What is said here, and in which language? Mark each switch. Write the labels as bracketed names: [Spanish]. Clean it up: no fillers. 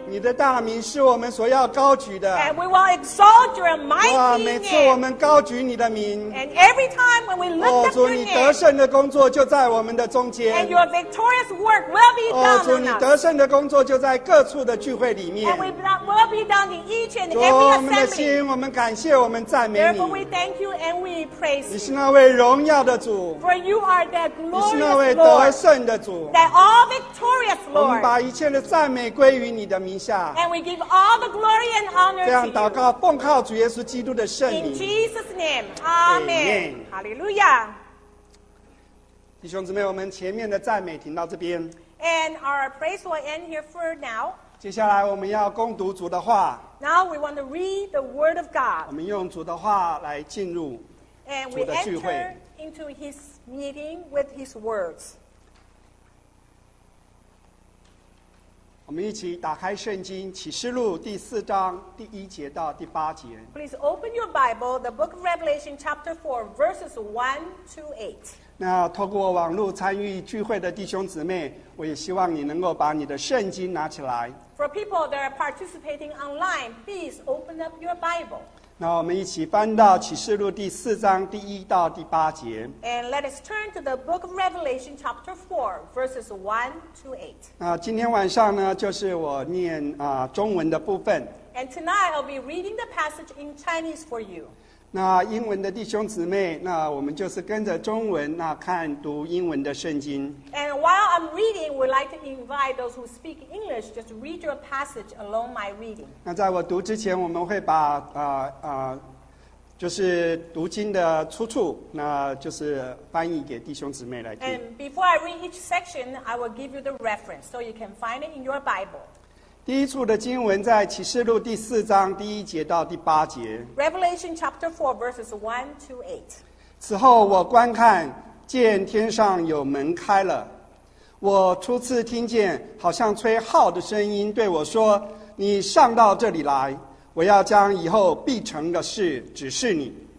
[Chinese] 你的大名是我们所要高举的。 [English] And we will exalt your mighty name. [Chinese] 每次我们高举你的名 [English] ，and every time when we lift up your name. [Chinese] 主，你得胜的工作就在我们的中间。 [English] And your victorious work will be done. [Chinese] 主，你得胜的工作就在各处的聚会里面。 [English] And we will be done in each and every assembly. [Chinese] 主，我们的心，我们感谢，我们赞美你。 [English] Therefore, we thank you and we praise. [Chinese] 你是那位荣耀的主。 [English] For you are the glorious Lord. [Chinese] 你是那位得胜的主。 [English] That all victorious Lord. [Chinese] 我们把一切的赞美归于你的名下。 [English] And we give all the glory and honor to you. [Chinese] 这样祷告，奉靠主耶稣基督的圣名。 [English] In Jesus' name, Amen. Hallelujah. [Chinese] 弟兄姊妹，我们前面的赞美停到这边。 [English] And our praise will end here for now. [Chinese] 接下来我们要攻读主的话。 [English] Now we want to read the Word of God. [Chinese] 我们用主的话来进入主的聚会。 [English] And we enter into His meeting with His words. [Chinese] 我们一起打开圣经，启示录第四章第一节到第八节。 [English] Please open your Bible, the book of Revelation, chapter 4, verses 1 to 8. [Chinese] 那透过网络参与聚会的弟兄姊妹，我也希望你能够把你的圣经拿起来。 [English] For people that are participating online, please open up your Bible. [Chinese] 那我们一起翻到启示录第四章第一到第八节。 [English] And let us turn to the book of Revelation, chapter 4, verses 1 to 8. [Chinese] 那今天晚上呢，就是我念中文的部分。 [English] And tonight I'll be reading the passage in Chinese for you. [Chinese] 那英文的弟兄姊妹，那我们就是跟着中文，那看读英文的圣经。 [English] And while I'm reading, we'd like to invite those who speak English just read your passage along my reading. [Chinese] 那在我读之前，我们会把就是读经的出处，那就是翻译给弟兄姊妹来听。 [English] And before I read each section, I will give you the reference so you can find it in your Bible. [Chinese] 第一处的经文在启示录第四章第一节到第八节。 [English] Revelation chapter 4 verses 1 to 8. [Chinese] 此后我观看，见天上有门开了。我初次听见好像吹号的声音对我说，你上到这里来，我要将以后必成的事指示你。